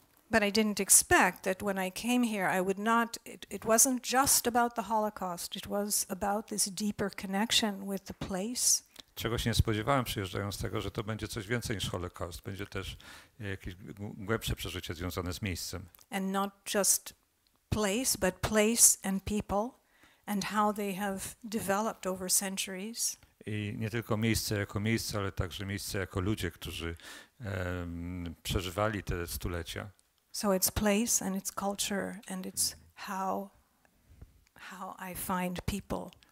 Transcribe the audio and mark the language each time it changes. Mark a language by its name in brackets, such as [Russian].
[English] But I didn't expect that when I came here I would not, it wasn't just about the Holocaust, it was about this deeper connection with the place. [Polish] Czego się nie spodziewałem przyjeżdżając tego, że to będzie coś więcej niż Holokaust, będzie też jakieś głębsze przeżycie związane z miejscem. [English] And not just place, but place and people and how they have developed over centuries. [Polish] I nie tylko miejsce, ale także miejsce jako ludzie, którzy przeżywali te stulecia. [English] So it's place and it's culture and it's how I find people.